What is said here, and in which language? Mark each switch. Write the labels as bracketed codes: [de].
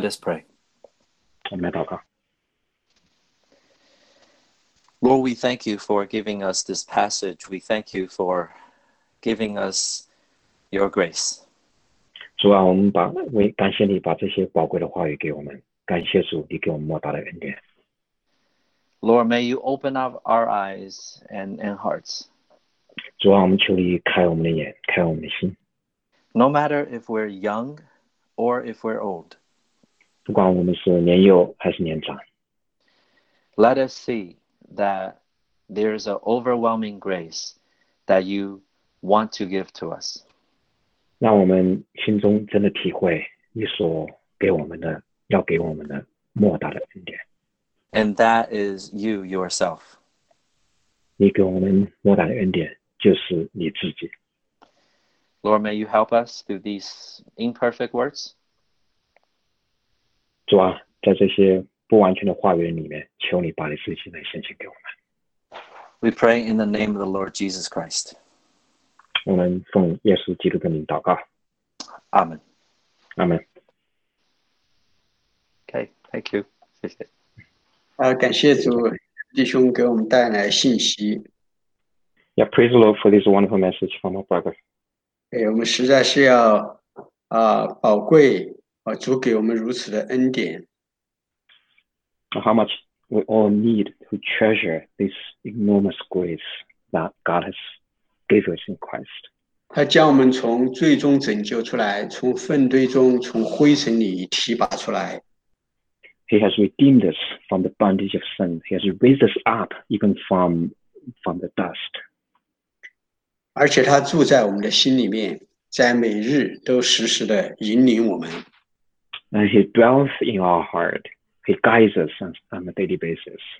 [en] Let us pray. [zh] 我们来祷告。 [en] Lord, we thank you for giving us this passage. We thank you for giving us your grace. [zh] 主啊，我感谢你把这些宝贵的话语给我们，感谢主，你给我们莫大的恩典。 [en] Lord, may you open up our eyes and hearts. [zh] 主啊，我们求你开我们的眼，开我们的心。 [en] No matter if we're young or if we're old. [zh] 不管我们是年幼还是年长。 [en] Let us see that there is an overwhelming grace that you want to give to us. [zh] 让我们心中真的体会你所给我们的，要给我们的莫大的恩典。 [en] And that is you yourself. [zh] 你给我们莫大的恩典就是你自己。 [en] Lord, may you help us through these imperfect words. [zh] 主啊，在这些不完全的话语里面，求你把你自己来显现给我们。 [en] We pray in the name of the Lord Jesus Christ. [zh] 我们奉耶稣基督的名祷告。 [en] Amen. Amen. Okay, thank you. [zh] 谢谢。感谢主弟兄给我们带来信息。 [en] Yeah, praise the Lord for this wonderful message from our brother. [zh] 我们实在是要宝贵主给我们如此的恩典。 [en] How much we all need to treasure this enormous grace that God has given us in Christ. [zh] 他将我们从罪中拯救出来，从粪堆中，从灰尘里提拔出来。 [en] He has redeemed us from the bondage of sin. He has raised us up even from the dust. [zh] 而且他住在我们的心里面，在每日都时时的引领我们。 [en] And he dwells in our heart. He guides us on a daily basis.